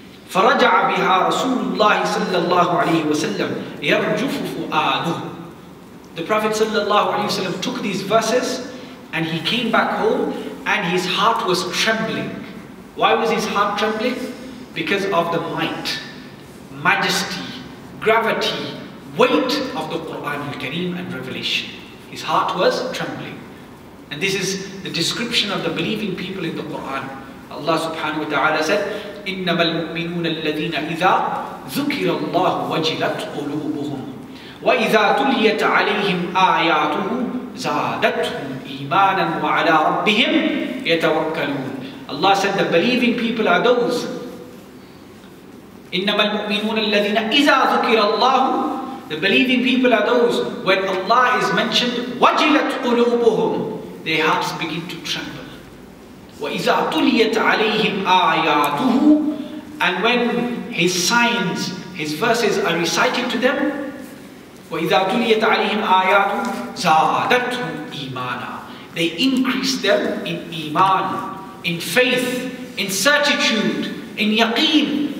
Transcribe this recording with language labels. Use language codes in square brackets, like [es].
[ar] فَرَجَعَ بِهَا رَسُولُ اللَّهِ صَلَّى اللَّهُ عَلَيْهِ وَسَلَّمُ يَرْجُفُ فُؤَادُهُ [en] The Prophet sallallahu alayhi wasallam took these verses and he came back home and his heart was trembling. Why was his heart trembling? Because of the might, majesty, gravity, weight of the Quran al-Kareem and revelation. His heart was trembling. And this is the description of the believing people in the Quran. Allah subhanahu wa ta'ala said, [ar] إِنَّمَا الْمُؤْمِنُونَ الَّذِينَ إِذَا ذُكِرَ اللَّهُ وَجِلَتْ قُلُوبُهُمْ وَإِذَا تُلِيَتْ عَلَيْهِمْ آيَاتُهُ زَادَتْهُمْ إِيمَانًا وَعَلَىٰ رَبِّهِمْ يَتَوَكَّلُونَ [en] Allah said the believing people are those. [ar] إِنَّمَا الْمُؤْمِنُونَ الَّذِينَ إِذَا ذُكِرَ اللَّهُ [en] The believing people are those. When Allah is mentioned, [ar] وَجِلَتْ قُلُوبُهُمْ [en] Their hearts begin to tremble. [ar] وَإِذَا تُلِيَتْ عَلَيْهِمْ آيَاتُهُ [en] And when His signs, His verses are recited to them, [ar] وَإِذَا تُلِيَتْ عَلَيْهِمْ آيَاتُهُ زَادَتْهُمْ إِيمَانًا [en] They increase them in iman, in faith, in certitude, in yaqeen.